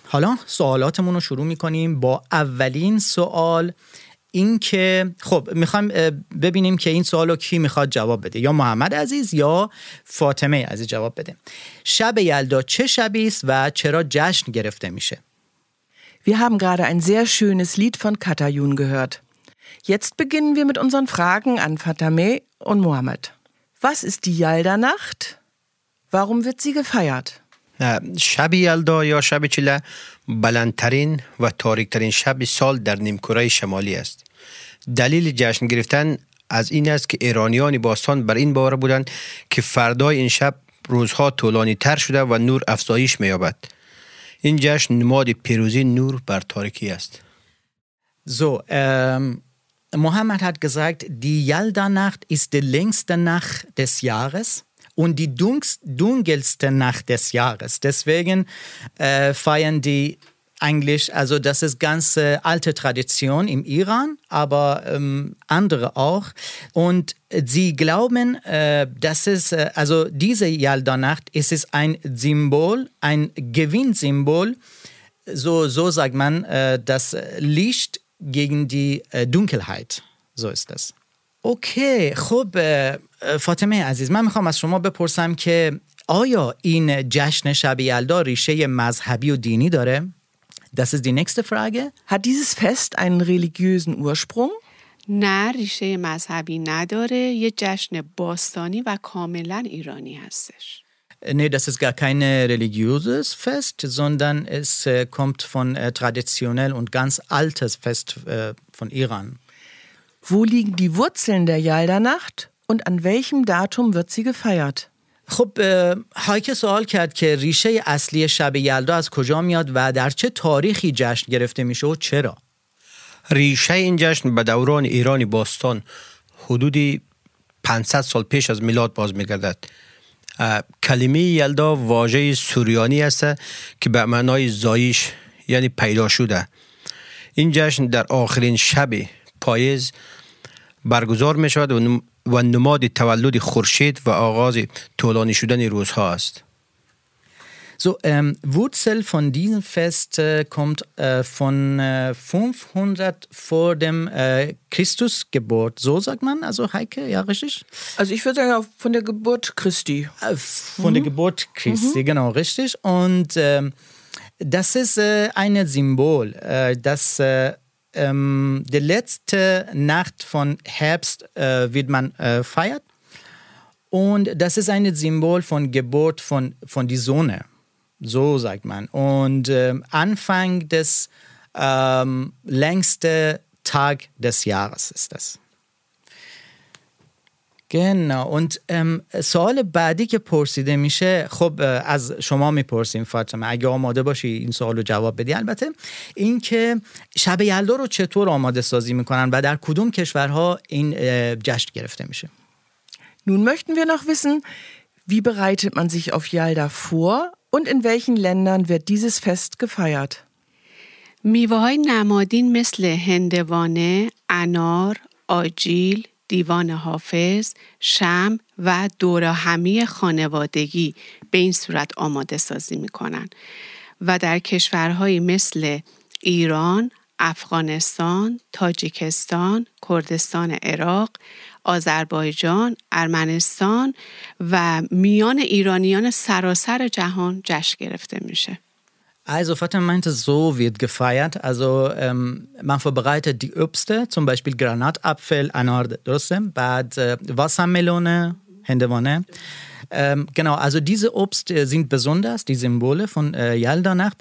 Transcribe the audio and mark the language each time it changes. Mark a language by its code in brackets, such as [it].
[fa] حالا سوالاتمون رو شروع می‌کنیم با اولین سوال. این که خب میخوایم ببینیم که این سوالو کی میخواد جواب بده، یا محمد عزیز یا فاطمه عزیز جواب بده. شب یلدا چه شبی است و چرا جشن گرفته میشه؟ [de] Wir haben gerade ein sehr schönes Lied von Katayun gehört. Jetzt beginnen wir mit unseren Fragen an Fatame und Mohammed. Was ist die Yalda Nacht? Warum wird sie gefeiert? [fa] شب یلدا یا شب چله بلندترین و تاریکترین شب سال در نیمکره شمالی است. دلیل جشن گرفتن از این است که ایرانیان باستان بر این باور بودند که فردای این شب روزها طولانی تر شده و نور افزایش می‌یابد. این جشن نماد پیروزی نور بر تاریکی است. [de] So, Mohammed hat gesagt, die Yalda Nacht ist die längste Nacht des Jahres. Und die dunkelste Nacht des Jahres. Deswegen feiern die eigentlich, also das ist ganz alte Tradition im Iran, aber andere auch. Und sie glauben, dass es, also diese Yalda-Nacht, es ist ein Symbol, ein Gewinnsymbol. So sagt man, das Licht gegen die Dunkelheit. So ist das. [fa] اوکی، خب فاطمه عزیز، من میخوام از شما بپرسم که آیا این جشن شب یلدا ریشه مذهبی و دینی داره؟ [de] Das ist die nächste Frage. Hat dieses Fest einen religiösen Ursprung? [fa] نه، ریشه مذهبی نداره، یه جشن باستانی و کاملا ایرانی هستش. [de] Nee, das ist gar kein religiöses Fest, sondern es kommt von traditionell und ganz altes Fest von Iran. Wo liegen die Wurzeln der Yalda-Nacht und an welchem Datum wird sie gefeiert? [fa] خب هایک سوال کرد که ریشه اصلی شب یلدا از کجا میاد و در چه تاریخی جشن گرفته میشه و چرا؟ ریشه این جشن به دوران ایرانی باستان حدود 500 سال پیش از میلاد باز میگردد. کلمه یلدا واژه سوریانی است که به معنای زایش یعنی پیدا شده. این جشن در آخرین شب پاییز برگزار می شود و نماد تولد خورشید و آغاز طولانی شدن روزها است. [de] So, Wurzel von diesem Fest kommt von 500 vor dem Christus Geburt. So sagt man, also Heike, ja richtig? Also ich würde sagen, von der Geburt Christi. Von der Geburt Christi, genau, richtig. Und das ist ein Symbol, dass die letzte Nacht von Herbst wird man feiert. Und das ist ein Symbol von Geburt von die Sonne. So sagt man. Und Anfang des längsten Tag des Jahres ist das. Genau. Und [fa] سوال بعدی که پرسیده میشه، خب از شما میپرسیم فاطمه، اگه آماده باشی این سوال رو جواب بدی. البته این که شب یلدا رو چطور آماده سازی میکنن و در کدوم کشورها این جشن گرفته میشه. [de] Nun möchten wir noch wissen, wie bereitet man sich auf Yalda vor? Und in welchen Ländern wird dieses Fest gefeiert? [fa] میوه‌های نمادین مثل هندوانه، انار، آجیل، دیوان حافظ، شمع و دوراهمی خانوادگی به این صورت آماده سازی می‌کنن و در کشورهای مثل ایران، افغانستان، تاجیکستان، کردستان عراق، آذربایجان، ارمنستان و میان ایرانیان سراسر جهان جشن گرفته میشه. [de] Also Fatima meinte, so wird gefeiert. Also man vorbereitet die Obste, zum Beispiel Granatapfel, Anor, Drossem, [fa] بعد [de] Wassermelone, Hendewanne. Genau, also diese Obst sind besonders, die Symbole von Yalda-Nacht.